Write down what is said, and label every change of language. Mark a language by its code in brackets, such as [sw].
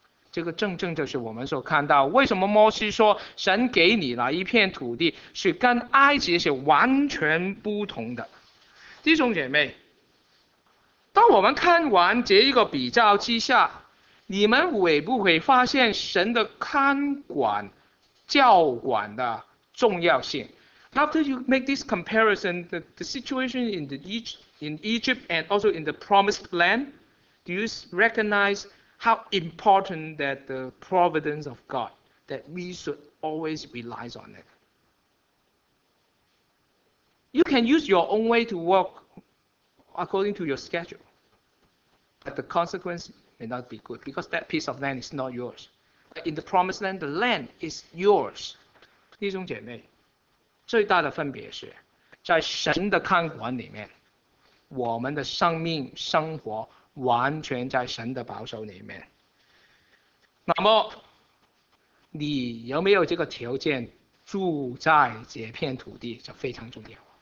[zh] 这个正正就是我们所看到，为什么摩西说神给你那一片土地是跟埃及是完全不同的。弟兄姐妹，当我们看完这一个比较之下，你们会不会发现神的看管、教管的重要性？ [en] After you make this comparison, the situation in Egypt and also in the Promised Land, do you recognize how important that the providence of God, that we should always rely on it? You can use your own way to work according to your schedule, but the consequence may not be good because that piece of land is not yours. In the Promised Land, the land is yours. [zh] 弟兄姐妹。最大的分别是，在神的看管里面，我们的生命生活完全在神的保守里面。那么，你有没有这个条件住在这片土地就非常重要。